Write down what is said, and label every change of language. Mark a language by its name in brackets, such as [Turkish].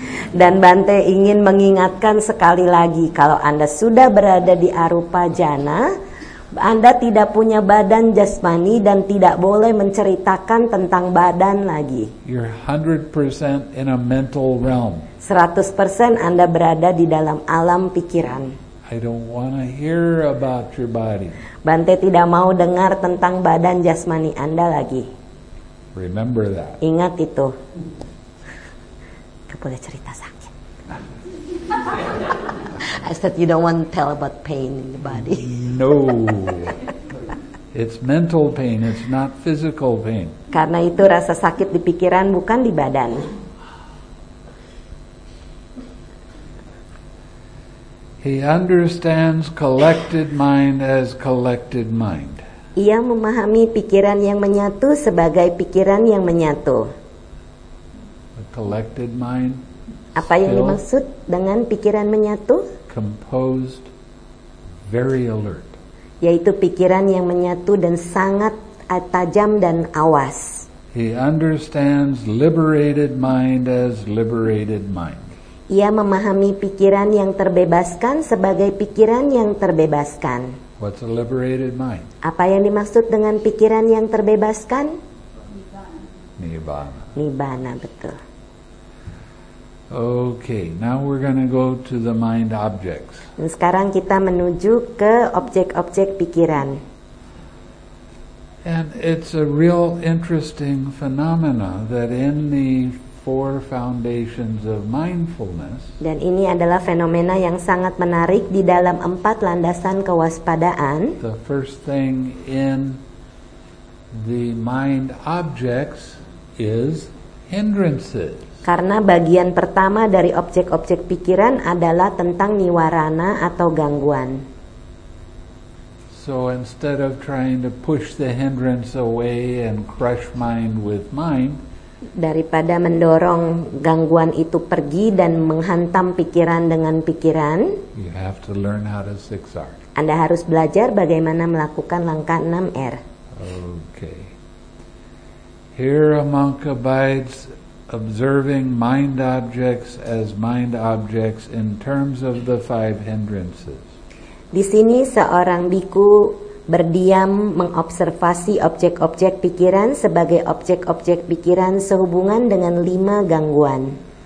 [Indonesian] Dan Bante ingin mengingatkan sekali lagi, kalau Anda sudah berada di arupa jhana, Anda tidak punya badan jasmani dan tidak boleh menceritakan tentang badan lagi. [English] You're 100% in a mental realm. [Indonesian] 100% Anda berada di dalam alam pikiran. [English] I don't want to hear about your body. [Indonesian] Bante tidak mau dengar tentang badan jasmani Anda lagi. [English] Remember that. [Indonesian] Ingat itu. Gak boleh cerita sakit. [English] I said you don't want to tell about pain in the body. No. It's mental pain, it's not physical pain. [Indonesian] Karena itu rasa sakit di pikiran bukan di badan. [English] He understands collected mind as collected mind. [Indonesian] Ia memahami pikiran yang menyatu sebagai pikiran yang menyatu. [English] A collected mind. [Indonesian] Apa yang dimaksud dengan pikiran menyatu? [English] Composed, very alert. [Indonesian] Yaitu pikiran yang menyatu dan sangat tajam dan awas. [English] He understands liberated mind as liberated mind. [Indonesian] Ia memahami pikiran yang terbebaskan sebagai pikiran yang terbebaskan. [English] What's a liberated mind? [Indonesian] Apa yang dimaksud dengan pikiran yang terbebaskan? [English] Nibbana. [Indonesian] Nibbana, betul. [English] Okay, now we're going to go to the mind objects. [Indonesian] Sekarang kita menuju ke objek-objek pikiran. [English] And it's a real interesting phenomena that in the four foundations of mindfulness. [Indonesian] Dan ini adalah fenomena yang sangat menarik di dalam empat landasan kewaspadaan. [English] The first thing in the mind objects is hindrances. [Indonesian] Karena bagian pertama dari objek-objek pikiran adalah tentang niwarana atau gangguan. [English] So instead of trying to push the hindrance away and crush mind with mind, [Indonesian] daripada mendorong gangguan itu pergi dan menghantam pikiran dengan pikiran, [English] you have to learn how to 6R. [Indonesian] Anda harus belajar bagaimana melakukan langkah 6R. [English] Okay. Here a monk abides observing mind objects as mind objects in terms of the five hindrances. [Indonesian] Di sini seorang bhikkhu berdiam mengobservasi objek-objek pikiran sebagai objek-objek pikiran sehubungan dengan lima gangguan.